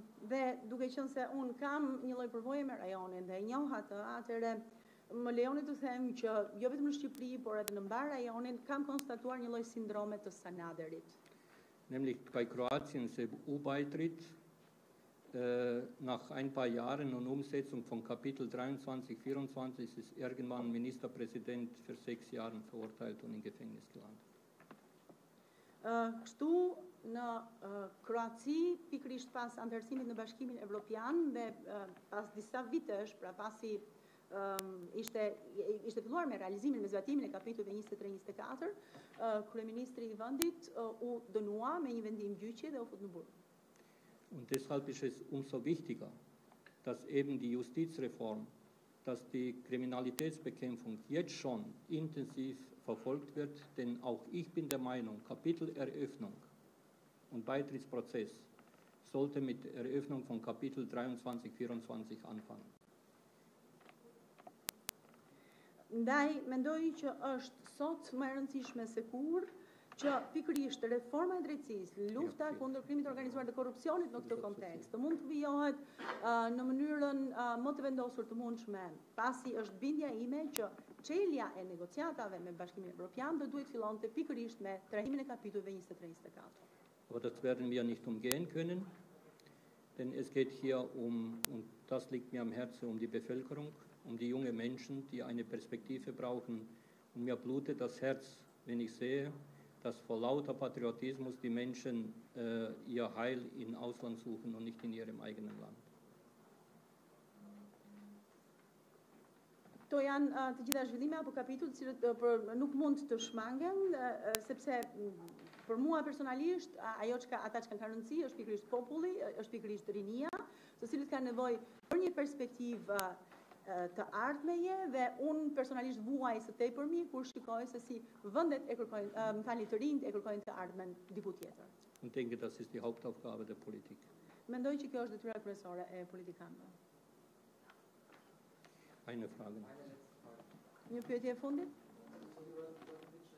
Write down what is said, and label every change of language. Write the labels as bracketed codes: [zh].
[sq] Dhe duke qenë se unë kam një lloj përvoje me rajonin dhe e njoh atë, atëherë më lejoni të them që jo vetëm në Shqipëri, por edhe në mbar rajonin kam konstatuar një lloj sindrome të Senaderit. [de] Nämlich bei Kroatien se U-Beitritt nach ein paar Jahren und Umsetzung von Kapitel 23-24 ist irgendwann Ministerpräsident für 6 Jahre verurteilt und in Gefängnis gelandet. [sq] Kështu në Kroaci, pikrisht pas anëtarësimit në Bashkimin Evropian dhe pas disa vitesh, pra pasi ishte filluar me realizimin, me zbatimin e kapitullit 23-24, kryeministri i vendit u dënua me një vendim gjyqi dhe u fut në burg. [de] Und deshalb ist es umso wichtiger, dass eben die Justizreform, dass die Kriminalitätsbekämpfung jetzt schon intensiv verfolgt wird. Denn auch ich bin der Meinung, Kapiteleröffnung und Beitrittsprozess sollte mit Eröffnung von Kapitel 23-24 anfangen. [sq] Ndaj, mendoj që është sot më e rëndësishme se kur, që pikërisht reforma e drejtësisë, lufta kundër krimit organizuar dhe korrupsionit në këtë kontekst, mund të vijohet në mënyrën më të vendosur të mundshme, pasi është bindja ime që çelja e negociatave me Bashkimin Evropian do duhet fillonte pikërisht me trajtimin e kapitullit 23-24. [de] Aber das werden wir nicht umgehen können, denn es geht hier um, und das liegt mir am Herzen, um die Bevölkerung, um die jungen Menschen, die eine Perspektive brauchen. Und mir blutet das Herz, wenn ich sehe, dass vor lauter Patriotismus die Menschen ihr Heil im Ausland suchen und nicht in ihrem eigenen Land. [sq] To janë të gjitha zhvillime apo kapitull, cilët nuk mund të shmangen, sepse për mua personalisht, ajo që ata që kanë rëndësi, është pikërisht populli, është pikërisht rinia, të cilët kanë nevojë për një perspektivë të ardhmeje dhe unë personalisht vuaj së tepërmi kur shikoj se si vendet e kërkojnë, më falni, të rinjt e kërkojnë të ardhmen diku tjetër. Unë [de] tenke das ist die Hauptaufgabe der Politik. [sq] Mendoj që kjo është detyra kryesore e politikanëve. [de] Eine Frage. [sq] Një pyetje e fundit? Juratovic,